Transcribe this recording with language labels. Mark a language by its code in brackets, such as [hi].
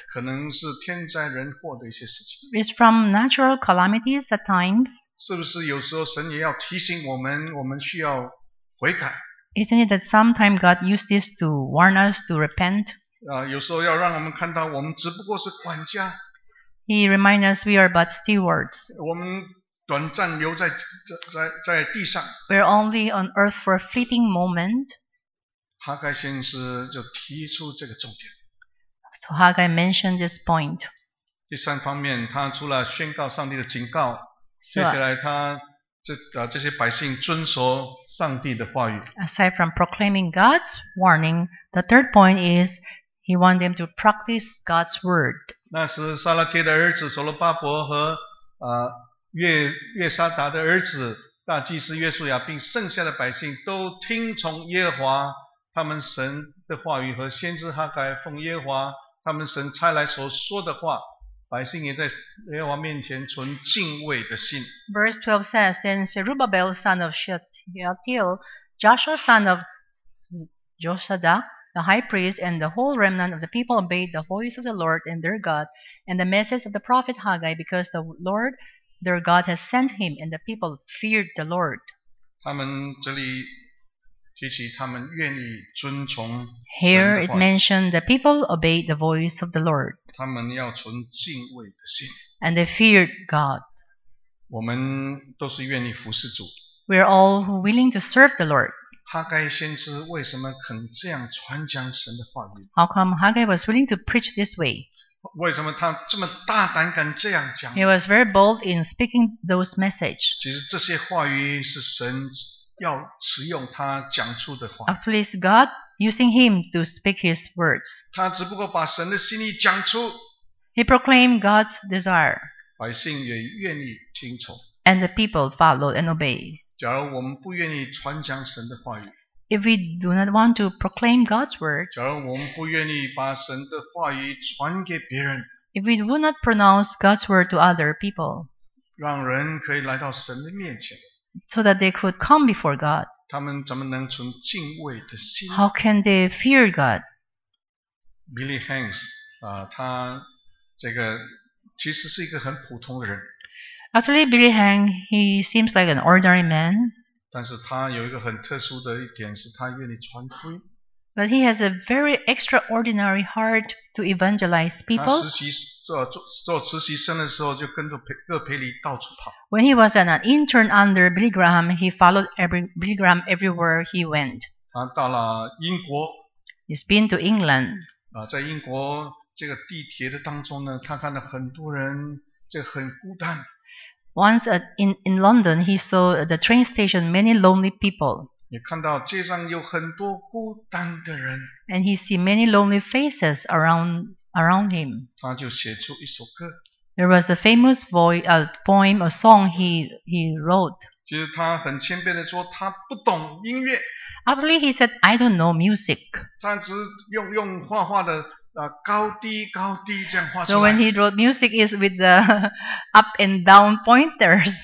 [zh] 可能是天灾人祸的一些事情。 [en] It's from natural calamities at times. [zh] 是不是有时候神也要提醒我们，我们需要悔改？ [en] Isn't it that sometimes God used this to warn us to repent? [zh] 有时候要让我们看到我们只不过是管家。 [en] He reminds us we are but stewards. [zh] 我们短暂留在地上。 [en] We're only on earth for a fleeting moment. [zh] 哈该先知就提出这个重点。 [en] So Haggai mentioned this point. [zh] 第三方面，他除了宣告上帝的警告，接下来他这些百姓遵守上帝的话语。 [en] Aside from proclaiming God's warning, the third point is he wants them to practice God's word. [zh] 那时撒拉铁的儿子所罗巴伯和约沙达的儿子大祭司约书亚，并剩下的百姓都听从耶和华他们神的话语和先知哈该奉耶和华他们神差来所说的话。百姓也在耶和华面前存敬畏的心。 [en] Verse 12 says, Then Zerubbabel son of Shealtiel, Joshua son of Josadak, the high priest, and the whole remnant of the people obeyed the voice of the Lord and their God, and the message of the prophet Haggai, because the Lord their God has sent him, and the people feared the Lord. [zh] 他们这里提起他们愿意遵从神的话语。 [en] Here it mentioned the people obeyed the voice of the Lord. [zh] 他们要存敬畏的心。 [en] And they feared God. [zh] 我们都是愿意服侍主。 [en] We are all willing to serve the Lord. [zh] 哈该先知为什么肯这样传讲神的话语？ [en] How come Haggai was willing to preach this way? [zh] 为什么他这么大胆敢这样讲？ [en] He was very bold in speaking those messages. [zh] 其实这些话语是神要使用他讲出的话。 [en] Actually, it's God using him to speak his words. [zh] 他只不过把神的心意讲出。 [en] He proclaimed God's desire. [zh] 百姓也愿意听从。 [en] And the people followed and obeyed. [zh] 假如我们不愿意传讲神的话语。 [en] If we do not want to proclaim God's word. [zh] 假如我们不愿意把神的话语传给别人。 [en] If we would not pronounce God's word to other people. [zh] 让人可以来到神的面前。 [en] So that they could come before God. [zh] 他们怎么能存敬畏的心？ [en] How can they fear God? [zh] Billy Hanks, 他这个其实是一个很普通的人。 [en] Actually, Billy Hanks, he seems like an ordinary man. [zh] 但是他有一个很特殊的一点，是他愿意传福音。 [en] But he has a very extraordinary heart to evangelize people. [zh] 他实习做实习生的时候，就跟着各培里到处跑。 [en] When he was an intern under Billy Graham, he followed Billy Graham everywhere he went. [zh] 他到了英国。 [en] He's been to England. [zh] 在英国这个地铁的当中呢，他看到很多人这个、很孤单。 [en] Once in London, he saw the train station many lonely people. [zh] 也看到街上有很多孤单的人。 [en] And he see many lonely faces around him. [zh] 他就写出一首歌。 [en] There was a famous poem, a song he wrote. [zh] 其实他很谦卑地说他不懂音乐。 [en] Actually, he said, I don't know music. [zh] 他只用画画的高低这样画出来。 [en] So when he wrote music, it's with the up and down pointers.